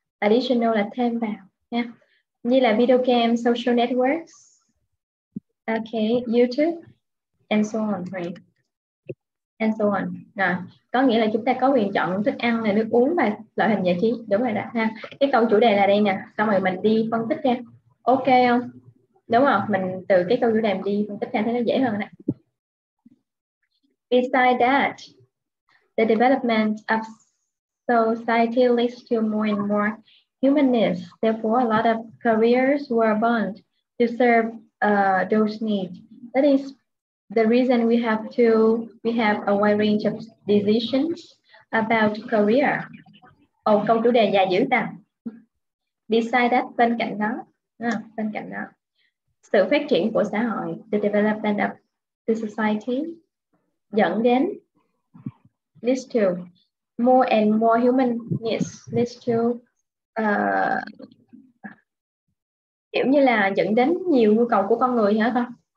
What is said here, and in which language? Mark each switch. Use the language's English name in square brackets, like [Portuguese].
[English] Additional [Vietnamese] là thêm vào nha. Như là [English] video game, social networks, okay, YouTube and so on, right? And so on. [Vietnamese] Nè, có nghĩa là chúng ta có quyền chọn thức ăn này, nước uống và loại hình giải trí, đúng rồi đó ha. Cái câu chủ đề là đây nè, xong rồi mình đi phân tích ra. Ok không? Đúng không? Mình từ cái câu chủ đề đi phân tích ra thấy nó dễ hơn nè. [English] Besides that, the development of society leads to more and more humanness. Therefore, a lot of careers were born to serve those needs. That is the reason we have a wide range of decisions about career. [Vietnamese] Oh, câu chủ đề dài dữ ta. Beside that, bên cạnh đó, bên cạnh đó, sự phát triển của xã hội, [English] the development of the society, [Vietnamese] dẫn đến [English] leads to more and more humanness, [Vietnamese] leads to kiểu như là dẫn đến nhiều nhu cầu của con người hả ta?